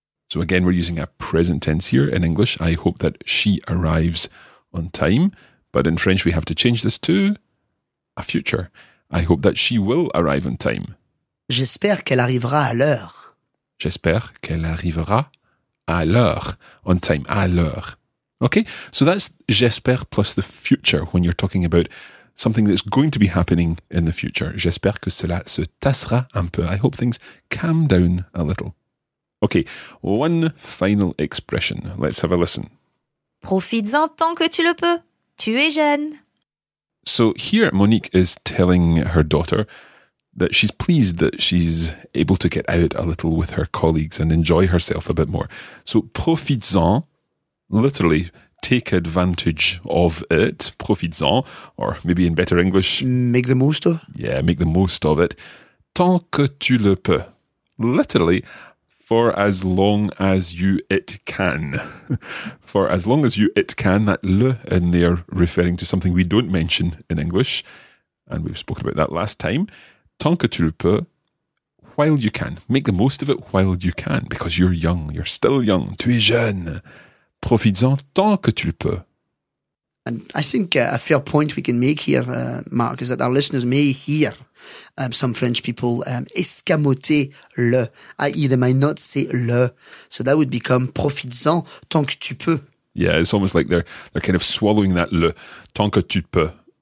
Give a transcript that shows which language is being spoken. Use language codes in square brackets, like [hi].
[en] So again, we're using a present tense here in English. I hope that she arrives on time. But in French, we have to change this to a future. I hope that she will arrive on time. [fr] J'espère qu'elle arrivera à l'heure. J'espère qu'elle arrivera à l'heure. [en] On time, [fr] à l'heure. [en] Okay, so that's j'espère plus the future when you're talking about something that's going to be happening in the future. [fr] J'espère que cela se tassera un peu. [en] I hope things calm down a little. Okay, one final expression. Let's have a listen. [fr] Profites-en tant que tu le peux. Tu es jeune. [en] So here Monique is telling her daughter that she's pleased that she's able to get out a little with her colleagues and enjoy herself a bit more. So profites-en, literally, take advantage of it, profites-en, or maybe in better English... Make the most of. Yeah, make the most of it. [fr] Tant que tu le peux. [en] Literally, for as long as you it can. For as long as you it can, that le in there referring to something we don't mention in English, and we've spoken about that last time. [fr] Tant que tu le peux, [en] while you can. Make the most of it while you can, because you're young, you're still young. [fr] Tu es jeune. Profites-en tant que tu peux. [en] And I think a fair point we can make here, Mark, is that our listeners may hear some French people [fr] escamoter le, [en] i.e. they might not say le. So that would become [fr] profites-en tant que tu peux. [en] Yeah, it's almost like they're kind of swallowing that le, [fr] tant que tu peux.